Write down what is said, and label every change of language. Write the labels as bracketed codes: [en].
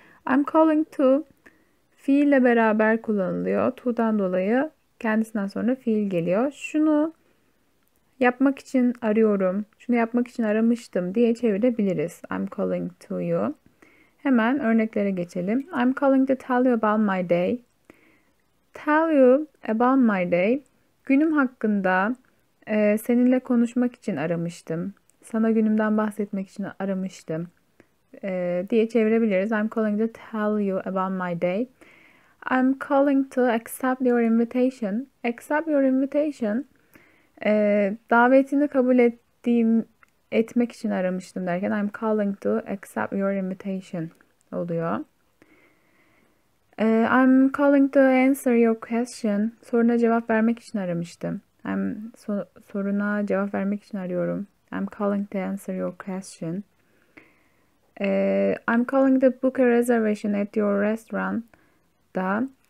[en] I'm calling to [tr] fiille beraber kullanılıyor. To'dan dolayı kendisinden sonra fiil geliyor. Şunu yapmak için arıyorum, şunu yapmak için aramıştım diye çevirebiliriz. [en] I'm calling to you. [tr] Hemen örneklere geçelim. [en] I'm calling to tell you about my day. Tell you about my day. [tr] Günüm hakkında seninle konuşmak için aramıştım. Sana günümden bahsetmek için aramıştım. Diye çevirebiliriz. [en] I'm calling to tell you about my day. I'm calling to accept your invitation. Accept your invitation. [tr] Davetini kabul etmek için aramıştım derken [en] I'm calling to accept your invitation [tr] oluyor. [en] I'm calling to answer your question. [tr] Soruna cevap vermek için aramıştım. Soruna cevap vermek için arıyorum. [en] I'm calling to answer your question. I'm calling to book a reservation at your restaurant'da.